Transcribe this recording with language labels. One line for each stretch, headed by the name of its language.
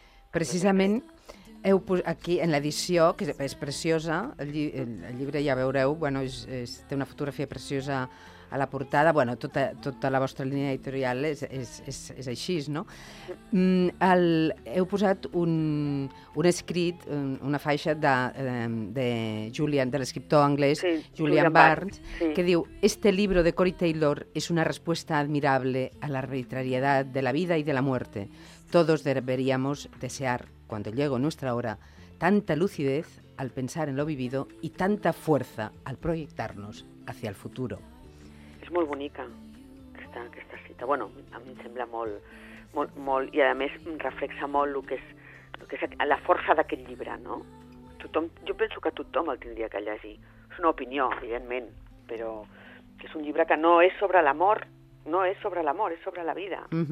Catalan: Precisament, heu posat aquí en l'edició, que és preciosa, el llibre ja veureu, bueno, té una fotografia preciosa a la portada, bueno, tota la vostra línia editorial és així, no? Heu posat un escrit, una faixa de Julian, de l'escriptor anglès, sí,
Spanish: Julian Barnes,
Catalan: sí, que diu:
Spanish: "Este libro de Corey Taylor es una respuesta admirable a la arbitrariedad de la vida y de la muerte. Todos deberíamos desear, cuando llegue nuestra hora, tanta lucidez al pensar en lo vivido y tanta fuerza al proyectarnos hacia el futuro."
Catalan: És molt bonica aquesta cita. Bueno, a mi em sembla molt, i a més em reflexa molt el que és la força d'aquest llibre, no? Tothom, jo penso que tothom el tindria que llegir. És una opinió, evidentment, però és un llibre que no és sobre l'amor, no és sobre l'amor, és sobre la vida.